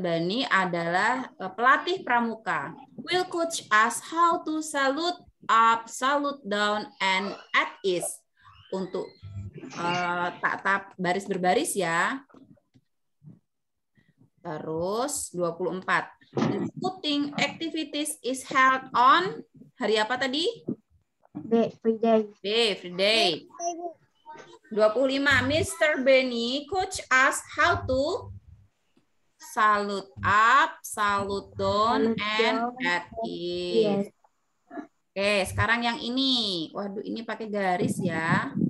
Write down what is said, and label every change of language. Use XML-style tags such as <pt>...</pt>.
<id>Benny adalah pelatih pramuka.</id> <en>Will coach us how to salute up, salute down, and at ease.</en> <id>Untuk tatap baris berbaris ya. Terus 24.</id> <en>The scouting activities is held on</en> <id>hari apa tadi?</id> <en>B, free day. B, free day. 25. Mr. Benny coach us how to salute up, salute down, and at ease.</en> <id>Oke, sekarang yang ini. Waduh, ini pakai garis ya.</id>